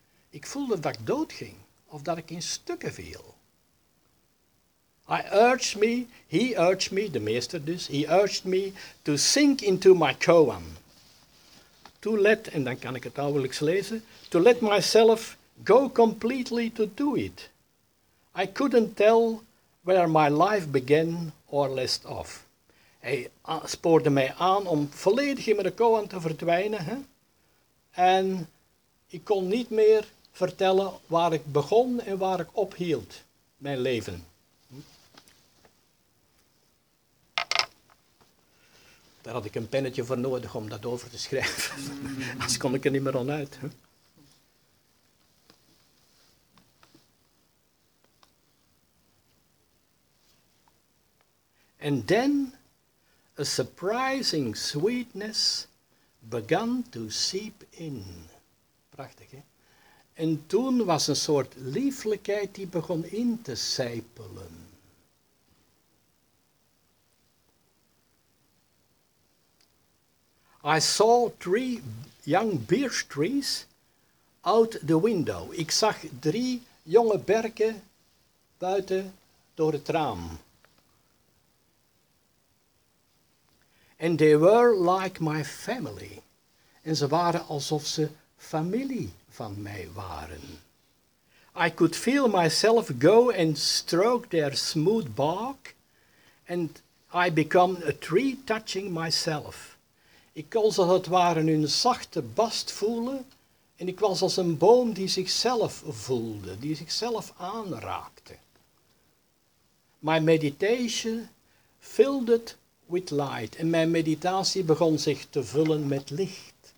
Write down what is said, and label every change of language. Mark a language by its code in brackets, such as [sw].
[nl] Ik voelde dat ik doodging of dat ik in stukken viel. [en] He urged me to sink into my koan. To let, [nl] en dan kan ik het ouderlijks lezen, [en] to let myself go completely to do it. I couldn't tell where my life began or left off. [nl] Hij spoorde mij aan om volledig in mijn koan te verdwijnen. Hè? En ik kon niet meer vertellen waar ik begon en waar ik ophield mijn leven. Daar had ik een pennetje voor nodig om dat over te schrijven. Anders kon ik er niet meer aan uit. Hè? [en] And then a surprising sweetness began to seep in. [nl] Prachtig, hè? En toen was een soort lieflijkheid die begon in te sijpelen. [en] I saw three young birch trees out the window. [nl] Ik zag drie jonge berken buiten door het raam. [en] And they were like my family. [nl] En ze waren alsof ze familie van mij waren. [en] I could feel myself go and stroke their smooth bark. And I become a tree touching myself. [nl] Ik kon ze als het ware hun zachte bast voelen en ik was als een boom die zichzelf voelde, die zichzelf aanraakte. [en] My meditation filled it with light [nl] en mijn meditatie begon zich te vullen met licht.